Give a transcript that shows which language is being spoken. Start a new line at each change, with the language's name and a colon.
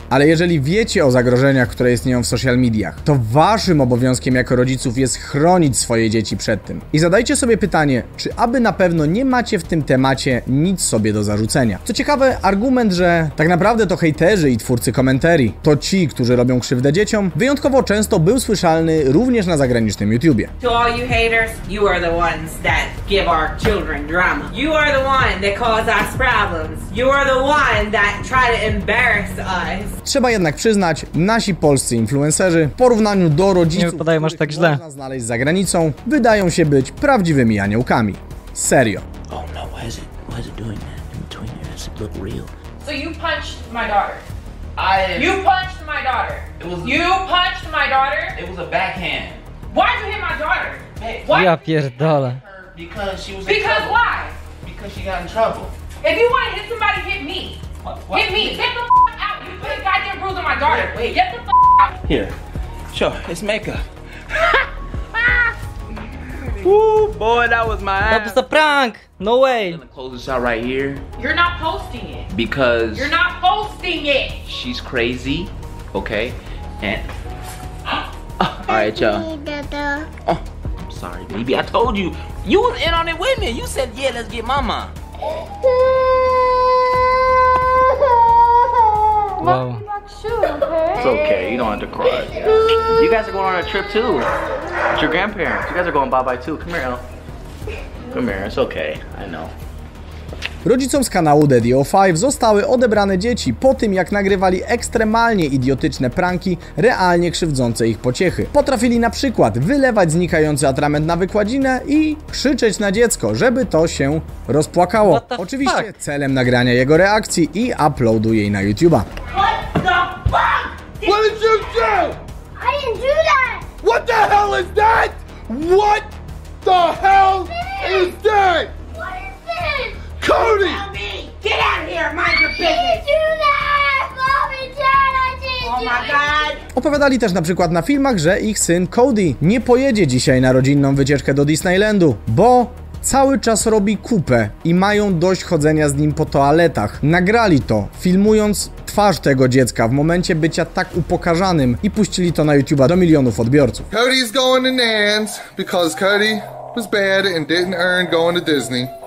Polish: Ale jeżeli wiecie o zagrożeniach, które istnieją w social mediach, to waszym obowiązkiem jako rodziców jest chronić swoje dzieci przed tym. I zadajcie sobie pytanie, czy aby na pewno nie macie w tym temacie nic sobie do zarzucenia. Co ciekawe, argument, że tak naprawdę to hejterzy i twórcy komentarzy, to ci, którzy robią krzywdę dzieciom, wyjątkowo często był słyszalny również na zagranicznym YouTubie.
English: To all you haters, you are the ones that give our children drama. You are the one that cause us problems. You are the one that try to embarrass us.
Polish: Trzeba jednak przyznać, nasi polscy influencerzy w porównaniu do rodziców, których można źle znaleźć za granicą, wydają się być prawdziwymi aniołkami. Serio.
English: Oh no, why is it doing that in between there? Does it look real? So you punched my daughter. It was a backhand. Why'd you hit my daughter? Hey,
Polish: ja pierdolę.
English: Because she was in trouble. Because why? Because she got in trouble. If you want to hit somebody, hit me. What? Hit me. Get the f*** out. You put a goddamn bruise on my daughter. Wait. Get the f*** out. Here. Sure, it's makeup. Woo, boy, that was my ass. That was a prank. No way. I'm gonna close this out right here. You're not posting it. Because. You're not posting it. She's crazy, okay? And. All right, y'all. Oh, I'm sorry, baby. I told you. You was in on it with me. You said, yeah, let's get mama. Wow. It's okay. You don't have to cry. You guys are going on a trip, too. It's your grandparents. You guys are going bye-bye, too. Come here, Elle. Come here. It's okay. I know.
Polish: Rodzicom z kanału Daddy O5 zostały odebrane dzieci po tym, jak nagrywali ekstremalnie idiotyczne pranki, realnie krzywdzące ich pociechy. Potrafili na przykład wylewać znikający atrament na wykładzinę i krzyczeć na dziecko, żeby to się rozpłakało. Oczywiście celem nagrania jego reakcji i uploadu jej na YouTube'a.
English: What the fuck? What did you do? I didn't do that! What the hell is that? What the hell is that? Cody! Get out of here! Mind your business!
Polish: Opowiadali też na przykład na filmach, że ich syn Cody nie pojedzie dzisiaj na rodzinną wycieczkę do Disneylandu, bo cały czas robi kupę i mają dość chodzenia z nim po toaletach. Nagrali to, filmując twarz tego dziecka w momencie bycia tak upokarzanym i puścili to na YouTube'a do milionów odbiorców.
English: Cody's going to Nan's because Cody was bad and didn't earn going to Disney.